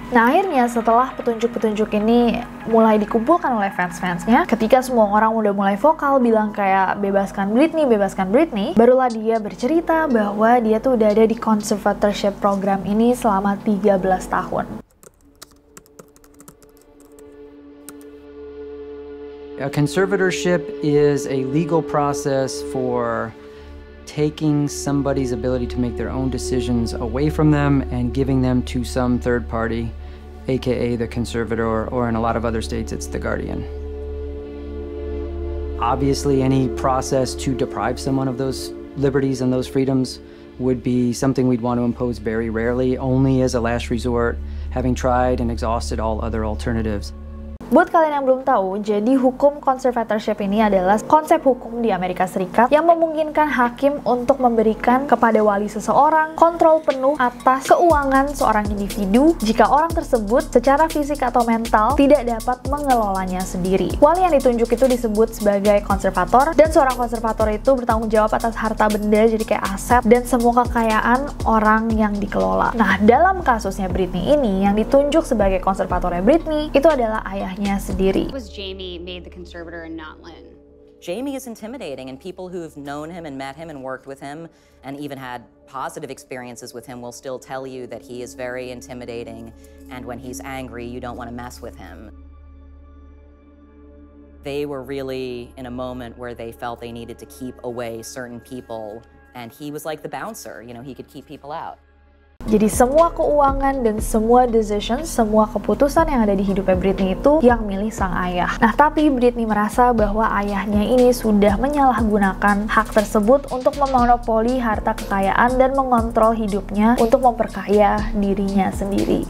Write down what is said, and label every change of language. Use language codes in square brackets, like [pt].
[id] Nah, akhirnya setelah petunjuk-petunjuk ini mulai dikumpulkan oleh fans-fansnya, ketika semua orang udah mulai vokal bilang kayak bebaskan Britney, barulah dia bercerita bahwa dia tuh udah ada di conservatorship program ini selama 13 tahun. [en] A conservatorship is a legal process for taking somebody's ability to make their own decisions away from them and giving them to some third party, aka the conservator, or in a lot of other states, it's the guardian. Obviously, any process to deprive someone of those liberties and those freedoms would be something we'd want to impose very rarely, only as a last resort, having tried and exhausted all other alternatives. [id] Buat kalian yang belum tahu, jadi hukum conservatorship ini adalah konsep hukum di Amerika Serikat yang memungkinkan hakim untuk memberikan kepada wali seseorang kontrol penuh atas keuangan seorang individu jika orang tersebut secara fisik atau mental tidak dapat mengelolanya sendiri. Wali yang ditunjuk itu disebut sebagai konservator, dan seorang konservator itu bertanggung jawab atas harta benda, jadi kayak aset dan semua kekayaan orang yang dikelola. Nah, dalam kasusnya Britney ini, yang ditunjuk sebagai konservatornya Britney itu adalah ayahnya sendiri. [en] Was Jamie made the conservator and not Lynn? Jamie is intimidating, and people who've known him and met him and worked with him and even had positive experiences with him will still tell you that he is very intimidating, and when he's angry, you don't want to mess with him. They were really in a moment where they felt they needed to keep away certain people, and he was like the bouncer, you know, he could keep people out. [id] Jadi semua keuangan dan semua decision, semua keputusan yang ada di hidupnya Britney itu yang milih sang ayah. Nah, tapi Britney merasa bahwa ayahnya ini sudah menyalahgunakan hak tersebut untuk memonopoli harta kekayaan dan mengontrol hidupnya untuk memperkaya dirinya sendiri.